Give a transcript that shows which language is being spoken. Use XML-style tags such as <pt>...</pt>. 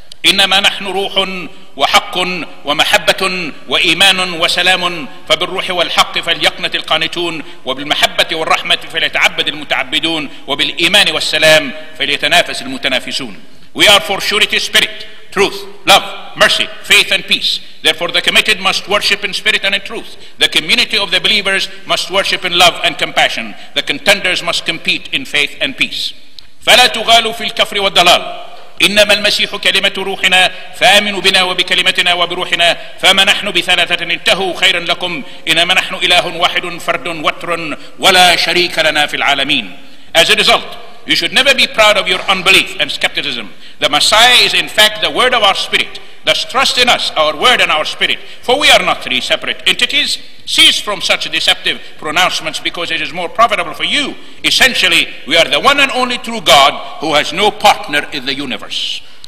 <ar>إِنَّمَا نَحْنُ رُوحٌ وَحَقٌ وَمَحَبَّةٌ وَإِيمَانٌ وَسَلَامٌ فَبِالرُّوحِ وَالْحَقِّ فَلْيَقْنَتِ الْقَانِتُونَ وَبِالْمَحَبَّةِ وَالرَّحْمَةِ فَلْيَتَعَبَّدِ الْمُتَعَبِّدُونَ وَبِالْإِيمَانِ وَالسَّلَامِ فَلْيَتَنَافَسِ الْمُتَنَافِسُونَ.</ar> <en>We are for surety spirit, truth, love, mercy, faith and peace. Therefore the committed must worship in spirit and in truth. The community of the believers must worship in love and compassion. The contenders must compete in faith and peace.</en> <ar>فَلَا تُغَالُوا فِي الْكَفْرِ وَالضَّلَالِ إنما المسيح كلمة روحنا فآمنوا بنا وبكلمتنا وبروحنا فما نحن بثلاثة انتهوا خيرا لكم إنما نحن إله واحد فرد وتر ولا شريك لنا في العالمين.</ar> <en>As a result, you should never be proud of your unbelief and skepticism. The Messiah is in fact the word of our spirit. Thus trust in us, our word and our spirit, for we are not three separate entities. Cease from such deceptive pronouncements, because it is more profitable for you. Essentially, we are the one and only true God who has no partner in the universe.</en>